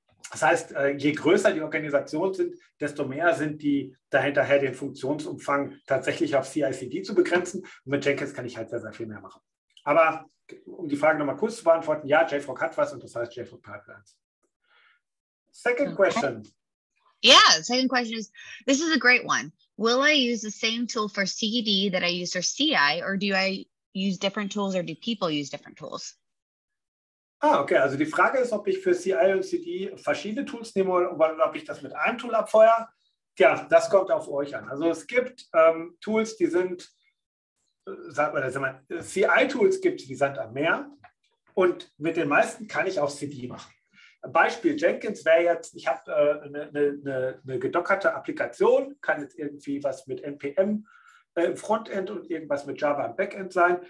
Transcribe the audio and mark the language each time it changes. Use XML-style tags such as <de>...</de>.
<de>Das heißt, je größer die Organisationen sind, desto mehr sind die dahinterher, den Funktionsumfang tatsächlich auf CI/CD zu begrenzen. Und mit Jenkins kann ich halt sehr, sehr viel mehr machen. Aber um die Frage nochmal kurz zu beantworten, ja, JFrog hat was und das heißt JFrog Pipelines.</de> <en>Second question. Yeah, second question is, this is a great one. Will I use the same tool for CD that I use for CI, or do I use different tools, or do people use different tools? Ah, okay.</en> <de>Also die Frage ist, ob ich für CI und CD verschiedene Tools nehme oder ob ich das mit einem Tool abfeuere. Tja, das kommt auf euch an. Also es gibt Tools, die sind, CI-Tools gibt es, die Sand am Meer. Und mit den meisten kann ich auch CD machen. Beispiel Jenkins wäre jetzt, ich habe eine gedockerte Applikation, kann jetzt irgendwie was mit NPM im Frontend und irgendwas mit Java im Backend sein.</de>